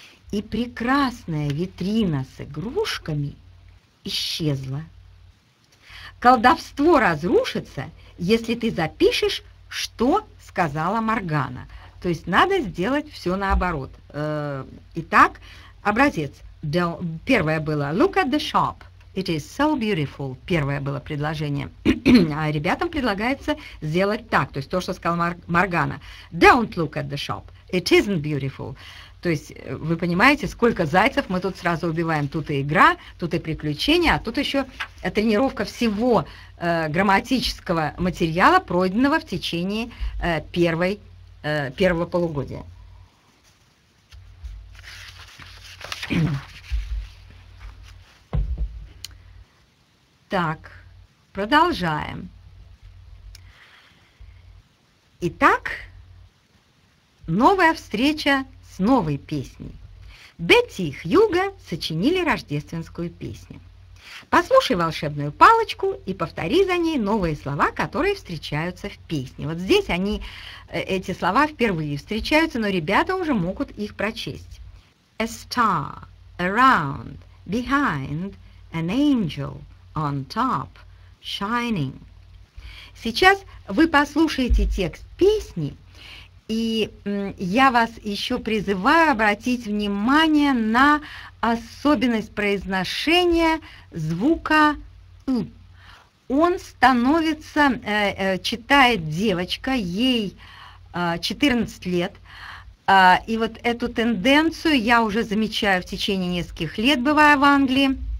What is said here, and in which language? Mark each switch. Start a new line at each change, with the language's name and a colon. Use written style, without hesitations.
Russian: И прекрасная витрина с игрушками исчезла. Колдовство разрушится, если ты запишешь, что сказала Моргана. То есть надо сделать все наоборот. Итак, образец. Первое было
English: «Look at the shop». It is so beautiful.
Russian: Первое было предложение. А ребятам предлагается сделать так, то есть то, что сказала Моргана.
English: Don't look at the shop. It isn't beautiful.
Russian: То есть вы понимаете, сколько зайцев мы тут сразу убиваем. Тут и игра, тут и приключения, а тут еще тренировка всего грамматического материала, пройденного в течение первого полугодия. Так, продолжаем. Итак, новая встреча с новой песней. Бетти и Хьюго сочинили рождественскую песню. Послушай волшебную палочку и повтори за ней новые слова, которые встречаются в песне. Вот здесь они, эти слова впервые встречаются, но ребята уже могут их прочесть.
English: A star, around, behind, an angel. On top, shining.
Russian: Сейчас вы послушаете текст песни, и я вас еще призываю обратить внимание на особенность произношения звука «у». Он становится, читает девочка, ей 14 лет, и вот эту тенденцию я уже замечаю в течение нескольких лет, бывая в Англии.